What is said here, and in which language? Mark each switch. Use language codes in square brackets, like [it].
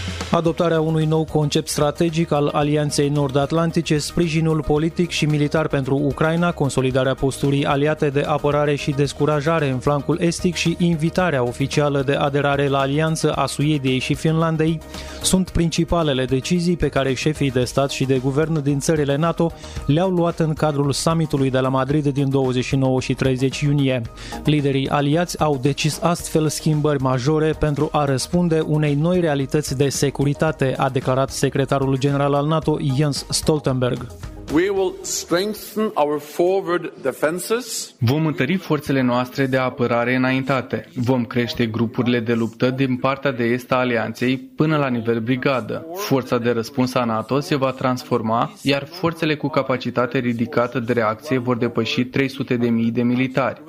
[ro] Adoptarea unui nou concept strategic al Alianței Nord-Atlantice, sprijinul politic și militar pentru Ucraina, consolidarea posturii aliate de apărare și descurajare în flancul estic și invitarea oficială de aderare la Alianță a Suediei și Finlandei sunt principalele decizii pe care șefii de stat și de guvern din țările NATO le-au luat în cadrul summitului de la Madrid din 29 și 30 iunie. Liderii aliați au decis astfel schimbări majore pentru a răspunde unei noi realități de securitate, a declarat secretarul general al NATO Jens Stoltenberg. [en] We will strengthen our forward defenses. [ro] Vom întări forțele noastre de apărare înaintate. Vom crește grupurile de luptă din partea de est a Alianței până la nivel brigadă. Forța de răspuns a NATO se va transforma, iar forțele cu capacitate ridicată de reacție vor depăși 300.000 de militari.